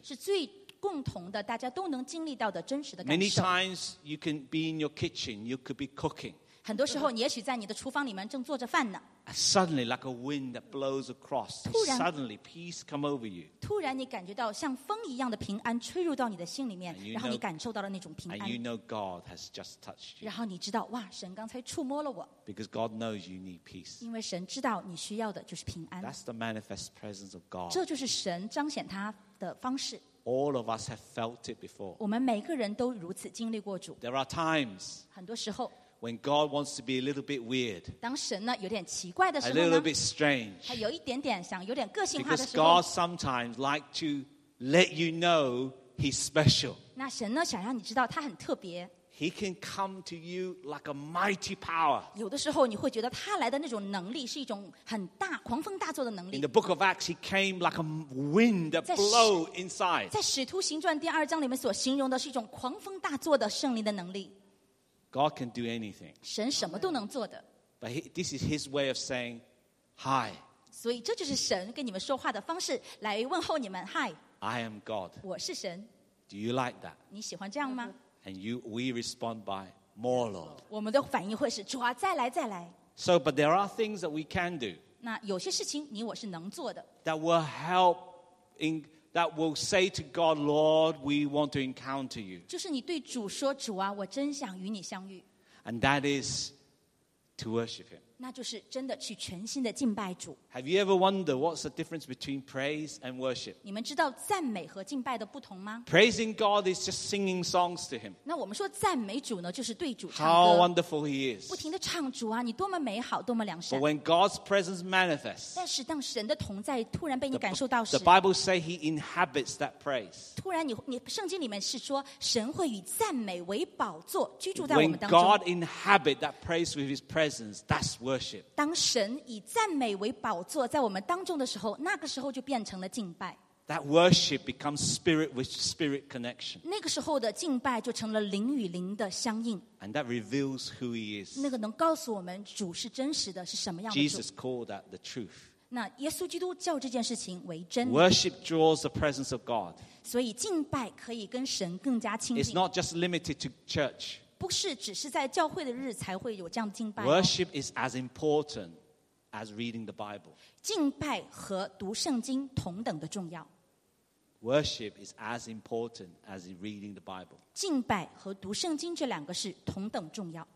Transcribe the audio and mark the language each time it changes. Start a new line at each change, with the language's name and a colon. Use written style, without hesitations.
Chinese: 是最共同的，大家都能经历到的真实的感受。
English: Many times you can be in your kitchen, you could be cooking.
Chinese: 很多时候，你也许在你的厨房里面正做着饭呢。
English: Suddenly, like a wind that blows across, suddenly peace come over you.
Chinese: 突然你感觉到像风一样的平安吹入到你的心里面，然后你感受到了那种平安。
English: And you know God has just touched you.
Chinese: 然后你知道，哇，神刚才触摸了我。
English: Because God knows you need peace.
Chinese: 因为神知道你需要的就是平安。
English: That's the manifest presence of God.
Chinese: 这就是神彰显他的方式。
English: All of us have felt it before.
Chinese: 我们每个人都如此经历过主。
English: There are times.
Chinese: 很多时候。
English: When God wants to be a little bit weird,
Chinese: 当神呢有点奇怪的时候呢
English: a little bit strange,
Chinese: 还有一点点想有点个性化的时候
English: because God sometimes like to let you know He's special.
Chinese: 那神呢想让你知道他很特别
English: He can come to you like a mighty power.
Chinese: 有的时候你会觉得他来的那种能力是一种很大狂风大作的能力
English: In the book of Acts, He came like a wind that blow inside.
Chinese: 在使徒行传第二章里面所形容的是一种狂风大作的圣灵的能力。
English: God can do anything.
Chinese: 神什么都能做的。
English: But this is His way of saying hi.
Chinese: 所以这就是神跟你们说话的方式，来问候你们。
English: Hi. I am God.
Chinese: 我是神。
English: Do you like that?
Chinese: 你喜欢这样吗？
English: And we respond by more, Lord.
Chinese: 我们的反应会是主啊，再来再来。
English: So, but there are things that we can do.
Chinese: 那有些事情你我是能做的。
English: That will help in. That will say to God, Lord, we want to encounter you.
Chinese: 就是你对主说，主啊，我真想与你相遇。
English: And that is to worship Him.
Chinese: 那就是真的去全心的敬拜主。
English: Have you ever wondered what's the difference between praise and worship?
Chinese: 你们知道赞美和敬拜的不同吗？
English: Praising God is just singing songs to Him.
Chinese: 那我们说赞美主呢，就是对主唱歌。
English: How wonderful He is!
Chinese: 不停的唱主啊，你多么美好，多么良善。
English: But when God's presence manifests,
Chinese: 但是当神的同在突然被你感受到时，
English: the Bible says He inhabits that praise.
Chinese: 突然你圣经里面是说神会与赞美为宝座居住在我们当中。
English: When God inhabits that praise with His presence, that's worship.
Chinese: 当神以赞美为宝座在我们当中的时候，那个时候就变成了敬拜。
English: That worship becomes spirit with spirit connection.
Chinese: 那个时候的敬拜就成了灵与灵的相应。
English: And that reveals who he is.
Chinese: 那个能告诉我们主是真实的，是什么样的主。
English: Jesus called that the truth.
Chinese: 那耶稣基督叫这件事情为真。
English: Worship draws the presence of God.
Chinese: 所以敬拜可以跟神更加亲近。
English: It's not just limited to church.
Chinese: 不是只是在教会的日才会有这样的敬拜。
English: Worship is as important as reading the Bible.
Chinese: 敬拜和读圣经同等的重要。
English: Worship is as important as reading the Bible.
Chinese: 敬拜和读圣经这两个是同等重要。